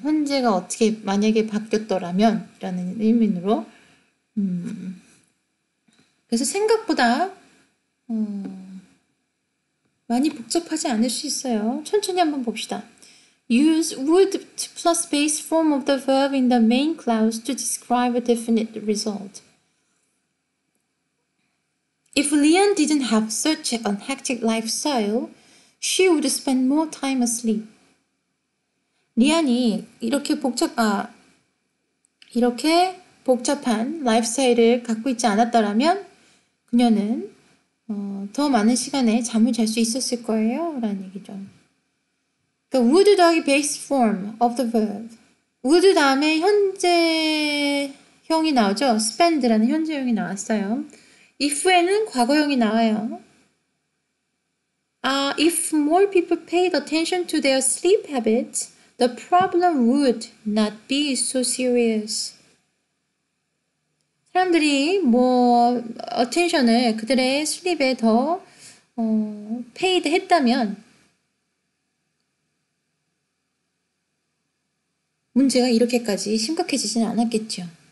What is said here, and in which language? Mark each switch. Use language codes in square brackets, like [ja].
[ko] 현재가 어떻게 만약에 바뀌었더라면 라는 의미로 그래서 생각보다 많이 복잡하지 않을 수 있어요. 천천히 한번 봅시다. [en] Use would plus base form of the verb in the main clause to describe a definite result. If Leon didn't have such an hectic lifestyle, she would spend more time asleep. [ko] 리안이 이렇게 복잡한 라이프스타일을 갖고 있지 않았더라면 그녀는 더 많은 시간에 잠을 잘 수 있었을 거예요. 라는 얘기죠. 그러니까 would 더하기 [en] base form of the verb. [ko] would 다음에 현재형이 나오죠. spend라는 현재형이 나왔어요. if에는 과거형이 나와요. [en] If more people paid attention to their sleep habits, the problem would not be so serious. [ko] 사람들이 attention을 그들의 sleep에 더 paid 했다면 문제가 이렇게까지 심각해지진 않았겠죠.